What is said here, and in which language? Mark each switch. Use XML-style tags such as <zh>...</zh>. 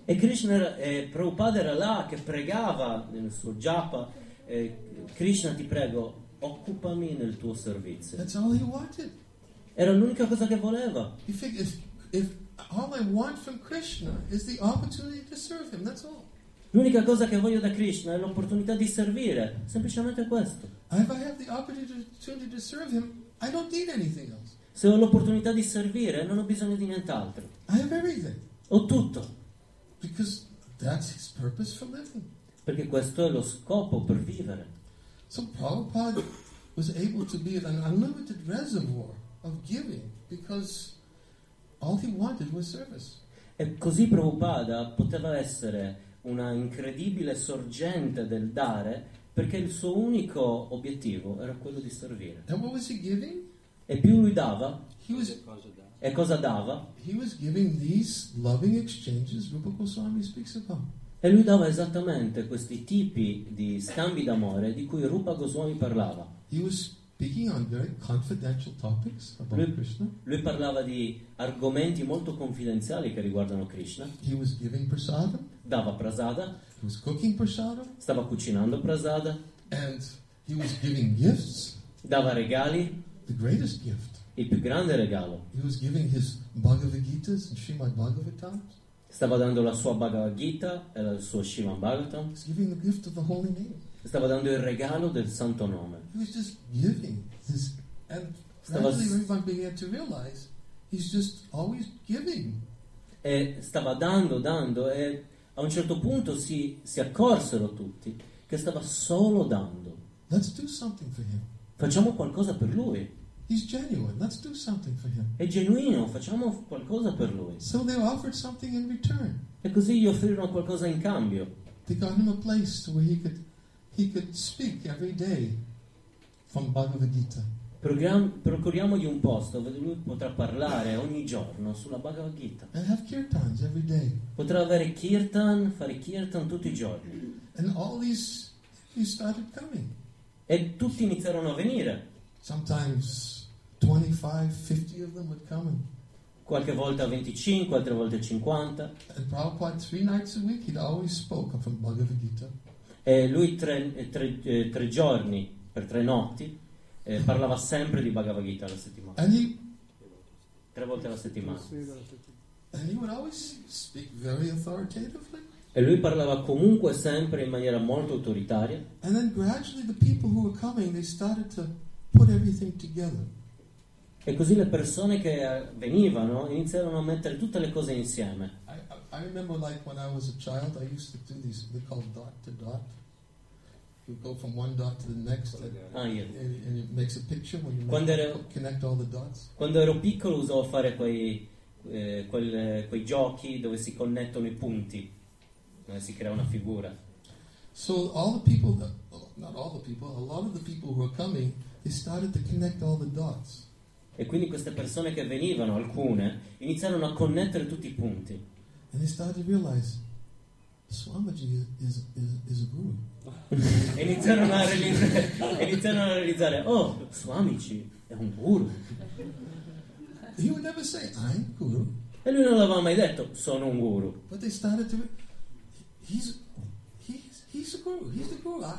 <it>E Krishna, Prabhupada era là che pregava nel suo japa, Krishna ti prego, occupami nel tuo servizio.</it> <en>That's all he wanted.</en> <it>Era l'unica cosa che voleva.</it> <en>If all I want from Krishna is the opportunity to serve him, that's all.</en> <it>L'unica cosa che voglio da Krishna è l'opportunità di servire, semplicemente questo.</it> <en>If I have the opportunity to serve him, I don't need anything else.</en> <it>Se ho l'opportunità di servire, non ho bisogno di nient'altro.</it> <en>I have everything.</en> <it>Ho tutto.</it> <en>Because that's his purpose for living.</en> <it>Perché questo è lo scopo per vivere.</it> <en>So Prabhupada was able to be an unlimited reservoir of giving because all he wanted was service.</en> <it>E così Prabhupada poteva essere una incredibile sorgente del dare perché il suo unico obiettivo era quello di servire.</it> <en>And what was he giving?</en> <it>E più lui dava e cosa dava?</it> <en>He was giving these loving exchanges Rupa Goswami speaks about.</en> <it>E lui dava esattamente questi tipi di scambi d'amore di cui Rupa Goswami parlava.</it> <en>He was speaking on very confidential topics about Krishna.</en> <it>Lui parlava di argomenti molto confidenziali che riguardano Krishna.</it> <en>He was giving prasada.</en> <it>Dava prasada.</it> <en>He was cooking prasada.</en> <it>Stava cucinando prasada.</it> <en>And he was giving gifts.</en> <it>Dava regali.</it> <en>The greatest gift.</en> <it>Il più grande regalo.</it> <en>He was giving his Bhagavad Gita and Srimad Bhagavatam.</en> <it>Stava dando la sua Bhagavad Gita e il suo Srimad Bhagavatam.</it> <en>He was giving the gift of the holy name.</en> <it>Stava dando il regalo del santo nome.</it> <en>He was just giving this, and gradually everyone began to realize he's just always giving.</en> <it>E stava dando, e a un certo punto si accorsero tutti che stava solo dando.</it> <en>Let's do something for him.</en> <it>Facciamo qualcosa per lui.</it> <en>He's genuine. Let's do something for him.</en> <it>È genuino. Facciamo qualcosa per lui.</it> <en>So they offered something in return.</en> <it>E così gli offrirono qualcosa in cambio.</it> <en>They got him a place where he could speak every day from Bhagavad Gita.</en> <it>Procuriamogli un posto dove lui potrà parlare ogni giorno sulla Bhagavad Gita.</it> <en>And have kirtans every day.</en> <it>Potrà avere kirtan, fare kirtan tutti i giorni.</it> <en>And all these started coming.</en> <it>E tutti iniziarono a venire.</it> <en>Sometimes 25, 50 of them would come.</en> <it>Qualche volta 25, altre volte 50.</it> <en>And Prabhupada, three nights a week, he'd always spoke from Bhagavad Gita.</en> <it>E lui tre giorni per tre notti parlava sempre di Bhagavad Gita alla settimana.</it> <en>And he,</en> <it>tre volte alla settimana.</it> <en>And he would always speak very authoritatively.</en> <it>E lui parlava comunque sempre in maniera molto autoritaria.</it> <en>And then gradually the people who were coming, they started to put everything together.</en> <it>E così le persone che venivano iniziarono a mettere tutte le cose insieme.</it> <en>I remember, like when I was a child, I used to do these. They're called dot to dot. You go from one dot to the next, and it makes a picture when you connect all the dots.</en> <it>Quando ero piccolo usavo fare quei giochi dove si connettono i punti, dove si crea una figura.</it> <en>So all the people that, not all the people, a lot of the people who were coming, they started to connect all the dots.</en> <it>E quindi queste persone che venivano, alcune, iniziarono a connettere tutti i punti.</it> <en>And they started to realize Swamiji is a guru.</en> <it>iniziarono a realizzare, oh, Swamiji è un guru.</it> <en>He would never say I'm guru.</en> <it>E lui non l'aveva mai detto, sono un guru.</it> <en>But they started to he's a guru.</en>